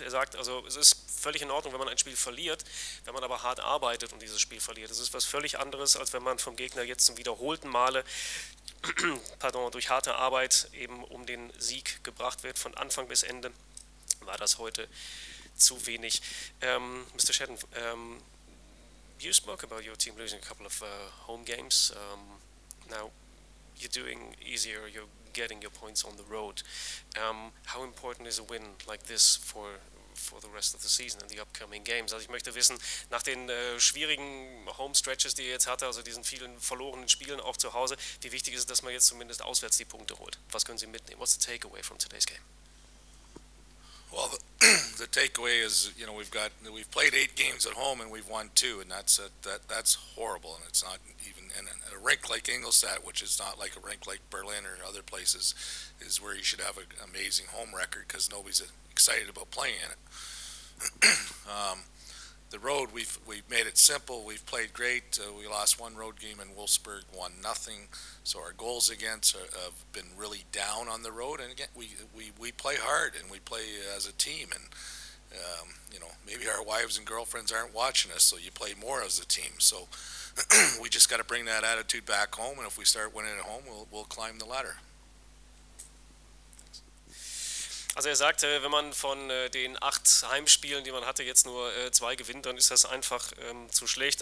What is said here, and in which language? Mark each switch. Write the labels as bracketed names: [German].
[German] Er sagt, also es ist völlig in Ordnung, wenn man ein Spiel verliert, wenn man aber hart arbeitet und dieses Spiel verliert. Das ist was völlig anderes, als wenn man vom Gegner jetzt zum wiederholten Male durch harte Arbeit eben um den Sieg gebracht wird. Von Anfang bis Ende war das heute zu wenig. [English] Mr. Shedden, you spoke about your team losing a couple of home games. Now you're doing easier, you're getting your points on the road. How important is a win like this for the rest of the season and the upcoming games? [German] Also ich möchte wissen, nach den schwierigen Home-Stretches, die ihr jetzt hatte, also diesen vielen verlorenen Spielen auch zu Hause, wie wichtig ist es, dass man jetzt zumindest auswärts die Punkte holt? Was können Sie mitnehmen? [English] What's the takeaway from today's game? Well, the takeaway is, you know, we've played 8 games at home and we've won 2, and that's horrible, and it's not even in a rink like Ingolstadt, which is not like a rink like Berlin or other places, is where you should have an amazing home record because nobody's excited about playing in it. The road, we've made it simple. We've played great. We lost one road game in Wolfsburg, 1-0. So our goals against have been really down on the road. And again, we play hard and we play as a team. And you know, maybe our wives and girlfriends aren't watching us, so you play more as a team. So we just got to bring that attitude back home. And if we start winning at home, we'll climb the ladder. [German] Also er sagte, wenn man von den 8 Heimspielen, die man hatte, jetzt nur 2 gewinnt, dann ist das einfach zu schlecht.